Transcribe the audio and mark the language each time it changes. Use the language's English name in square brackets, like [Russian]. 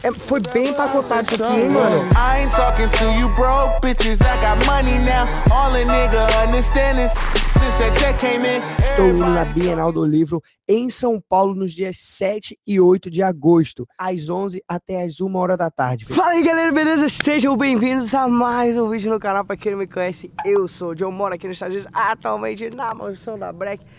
[Portuguese] É, foi bem empacotado isso aqui, mano. [English] I ain't talking to you broke bitches. I got money now. All a nigga understand is since that check came in. [Portuguese] Estou indo na Bienal do Livro em São Paulo nos dias 7 e 8 de agosto, às 11 até às 1 hora da tarde. Fala aí, galera, beleza? Sejam bem-vindos a mais um vídeo no canal. Pra quem não me conhece, eu sou o John, moro aqui nos Estados Unidos, atualmente na mansão da Breck.